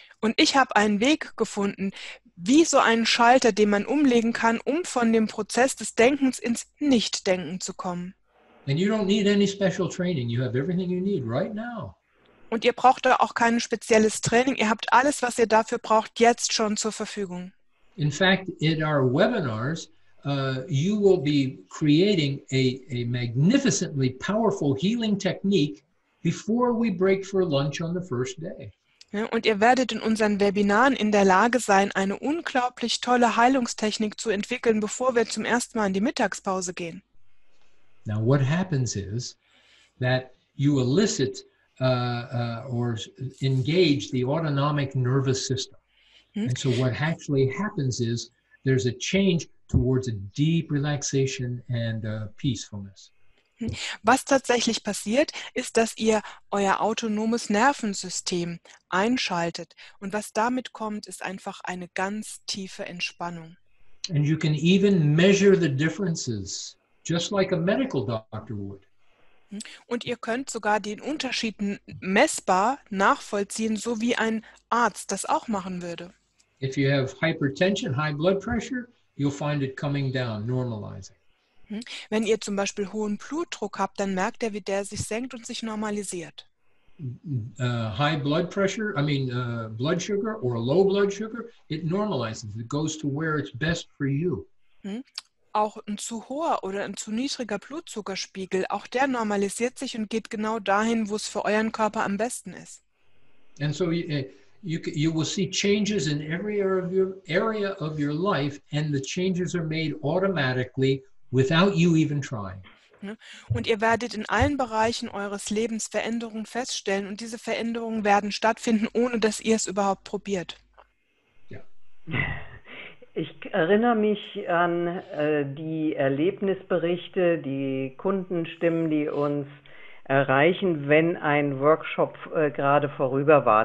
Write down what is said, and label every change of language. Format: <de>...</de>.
<de>Und ich habe einen Weg gefunden, wie so einen Schalter, den man umlegen kann, um von dem Prozess des Denkens ins Nichtdenken zu kommen.</de> <en>And you don't need any special training. You have everything you need right now.</en> <de>Und ihr braucht da auch kein spezielles Training. Ihr habt alles, was ihr dafür braucht, jetzt schon zur Verfügung.</de> <en>In fact, in our webinars, you will be creating a magnificently powerful healing technique before we break for lunch on the first day.</en> <de>Ja, und ihr werdet in unseren Webinaren in der Lage sein, eine unglaublich tolle Heilungstechnik zu entwickeln, bevor wir zum ersten Mal in die Mittagspause gehen.</de> <en>Now what happens is that you elicit or engage the autonomic nervous system. And so what actually happens is there's a change towards a deep relaxation and peacefulness.</en> <de>Was tatsächlich passiert, ist, dass ihr euer autonomes Nervensystem einschaltet. Und was damit kommt, ist einfach eine ganz tiefe Entspannung.</de> <en>And you can even measure the differences, just like a medical doctor would.</en> <de>Und ihr könnt sogar den Unterschied messbar nachvollziehen, so wie ein Arzt das auch machen würde.</de> <en>If you have hypertension, high blood pressure, you'll find it coming down, normalizing.</en> <de>Wenn ihr zum Beispiel hohen Blutdruck habt, dann merkt er, wie der sich senkt und sich normalisiert.</de> <en>High blood pressure, I mean blood sugar or low blood sugar, it normalizes. It goes to where it's best for you.</en> <de>Auch ein zu hoher oder ein zu niedriger Blutzuckerspiegel, auch der normalisiert sich und geht genau dahin, wo es für euren Körper am besten ist.</de> <en>And so you will see changes in every area of your life, and the changes are made automatically without you even trying.</en> <de>Und ihr werdet in allen Bereichen eures Lebens Veränderungen feststellen, und diese Veränderungen werden stattfinden, ohne dass ihr es überhaupt probiert. Ja. Ich erinnere mich an die Erlebnisberichte, die Kundenstimmen, die uns erreichen, wenn ein Workshop gerade vorüber war.</de>